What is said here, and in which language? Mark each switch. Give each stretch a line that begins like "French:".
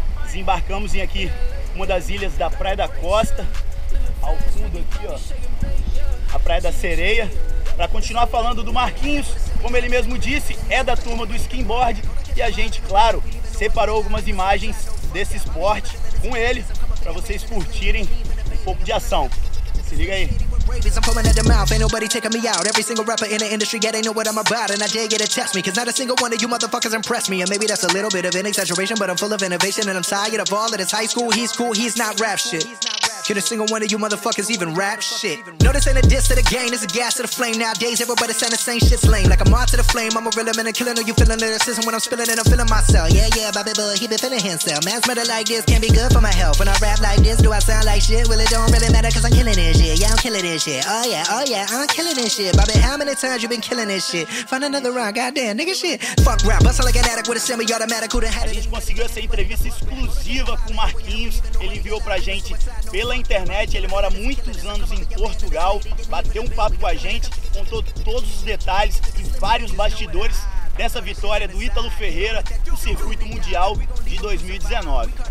Portuguese: Desembarcamos em aqui uma das ilhas da Praia da Costa, ao fundo aqui, ó, a Praia da Sereia, para continuar falando do Marquinhos. Como ele mesmo disse, é da turma do skimboard e a gente, claro, separou algumas imagens desse esporte com ele para vocês curtirem um pouco de ação. Se liga aí.
English: I'm coming at the mouth, ain't nobody taking me out. Every single rapper in the industry, yeah, they know what I'm about. And I dare you to test me, cause not a single one of you motherfuckers impressed me. And maybe that's a little bit of an exaggeration, but I'm full of innovation. And I'm tired of all of this high school, he's cool, he's not rap shit. Can a single one of you motherfuckers even rap shit? No, this ain't a diss to the game, this is a gas to the flame. Nowadays, everybody saying the same shit's lame. Like a moth to the flame, I'm a real man and killer. No, you feeling lyricism when I'm spilling it, I'm feeling myself. Yeah, yeah, Bobby Bull, he been feeling himself. Man's murder like this can't be good for my health. When I rap like this, do I sound like shit? Well, it don't really matter, cause I'm killing this shit. Yeah, I'm killing this shit. Oh, yeah, I'm killing this shit. Bobby, how many times you been killing this shit? Find another round, goddamn, nigga shit. Fuck rap, bust like an addict with a semi-automatic.
Portuguese: A gente conseguiu essa entrevista exclusiva com o Marquinhos. Ele enviou pra gente pela internet, ele mora muitos anos em Portugal, bateu um papo com a gente, contou todos os detalhes e vários bastidores dessa vitória do Ítalo Ferreira no circuito mundial de 2019.